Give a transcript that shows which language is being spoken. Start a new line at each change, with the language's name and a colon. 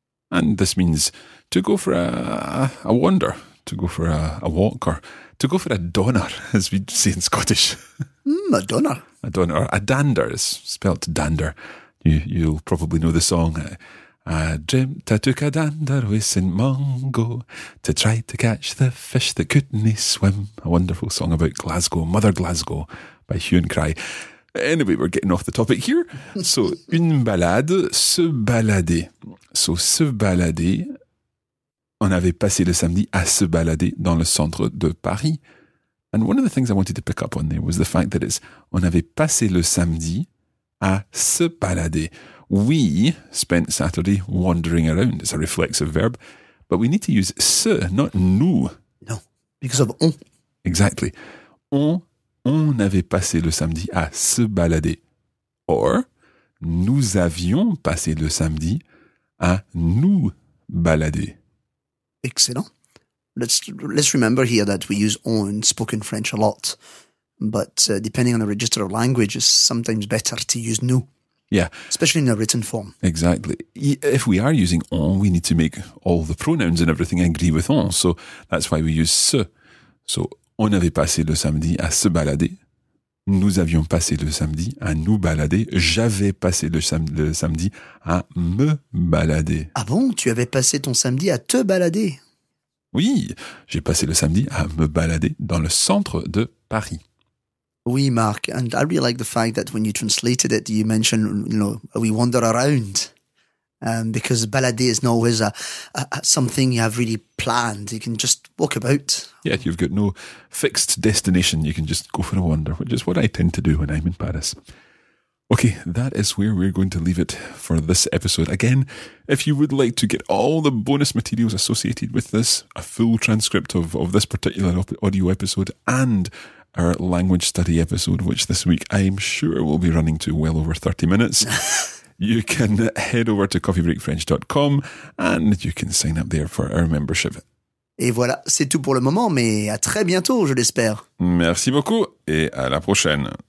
English: And this means to go for a wander, to go for a walk, or to go for a donner, as we say in Scottish. A donner. A donner, or a dander, it's spelt dander. You'll probably know the song. I dreamt I took a dander with St. Mungo to try to catch the fish that couldn't swim. A wonderful song about Glasgow, Mother Glasgow, by Hugh and Cry. Anyway, we're getting off the topic here.
French: So, une balade, se balader. So, se balader, on avait passé le samedi à se balader dans le centre de Paris.
English: And one of the things I wanted to pick up on there was the fact that it's
French: on avait passé le samedi à se balader.
English: We spent Saturday wandering around. It's a reflexive verb. But we need to use se, not nous. No, because of on. Exactly.
French: On avait passé le samedi à se balader.
English: Or,
French: nous avions passé le samedi à nous balader.
English: Excellent. Let's remember here that we use on in spoken French a lot. But depending on the register of language, it's sometimes better to use nous. Yeah. Especially in a written form. Exactly. If we are using on, we need to make all the pronouns and everything agree with on. So that's why we use se.
French: So on avait passé le samedi à se balader. Nous avions passé le samedi à nous balader. J'avais passé le samedi à me balader. Ah bon, tu avais passé ton samedi à te balader? Oui, j'ai passé le samedi à me balader dans le centre de Paris. Oui,
English: Marc, and I really like the fact that when you translated it, you mentioned, you know, we wander around. Because balader is not always something you have really planned. You can just walk about. Yeah, you've got no fixed destination. You can just go for a wander, which is what I tend to do when I'm in Paris. Okay, that is where we're going to leave it for this episode. Again, if you would like to get all the bonus materials associated with this, a full transcript of this particular audio episode and our language study episode, which this week I'm sure will be running to well over 30 minutes... You can head over to coffeebreakfrench.com and you can sign up there for our membership.
French: Et voilà, c'est tout pour le moment, mais à très bientôt, je l'espère. Merci beaucoup et à la prochaine.